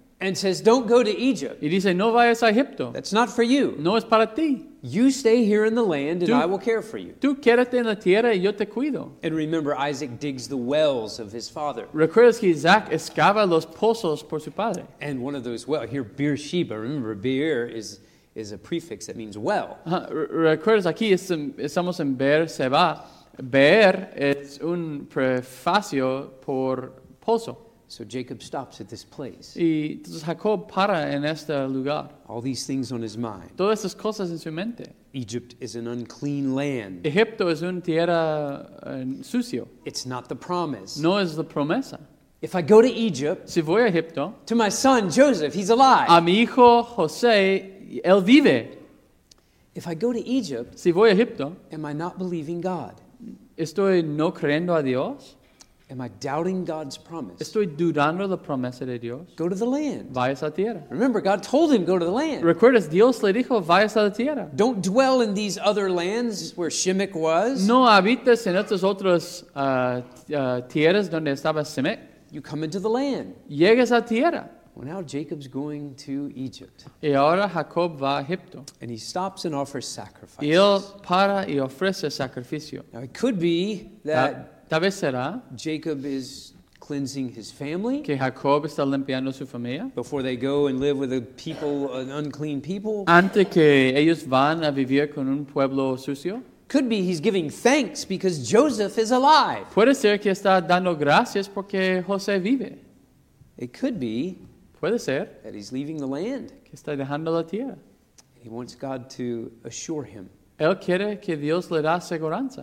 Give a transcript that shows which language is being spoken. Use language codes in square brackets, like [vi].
[en] And says, "Don't go to Egypt." [es] Y dice, "No vayas a Egipto." [en] That's not for you. [es] No es para ti. [en] You stay here in the land, and I will care for you. [es] Tú quédate en la tierra y yo te cuido. [en] And remember, Isaac digs the wells of his father. [es] Recuerdas que Isaac excava los pozos por su padre. [en] And one of those wells here, Beersheba. Remember, Beer is a prefix that means well. [es] Recuerdas aquí estamos en Beersheba. Beer es un prefacio por pozo. [en] So Jacob stops at this place. [es] Y Jacob para en este lugar. [en] All these things on his mind. [es] Todas estas cosas en su mente. [en] Egypt is an unclean land. [es] Egipto es una tierra sucio. [en] It's not the promise. [es] No es la promesa. [en] If I go to Egypt, [es] si voy a Egipto, [en] to my son Joseph, he's alive. [es] A mi hijo José, él vive. [en] If I go to Egypt, [es] si voy a Egipto, [en] am I not believing God? [es] Estoy no creyendo a Dios. [en] Am I doubting God's promise? [es] Estoy dudando la promesa de Dios. [en] Go to the land. [es] Vayas a la tierra. [en] Remember, God told him, go to the land. [es] Recuerdas, Dios le dijo, vayas a la tierra. [en] Don't dwell in these other lands where Shemek was. [es] No habitas en estas otras tierras donde estaba Shemek. [en] You come into the land. [es] Llegas a tierra. [en] Well, now Jacob's going to Egypt. [es] Y ahora Jacob va a Egipto. [en] And he stops and offers sacrifices. [es] Y él para y ofrece sacrificio. [en] Now, it could be that... [es] Tal vez será [en] Jacob is cleansing his family. [es] Que Jacob está limpiando su familia. [en] Before they go and live with a people, an unclean people. [es] Antes que ellos van a vivir con un pueblo sucio. [en] Could be he's giving thanks because Joseph is alive. [es] Puede ser que está dando gracias porque José vive. [en] It could be. [es] Puede ser. [en] That he's leaving the land. [es] Que está dejando la tierra. [en] He wants God to assure him. [es] Él quiere que Dios le da seguridad.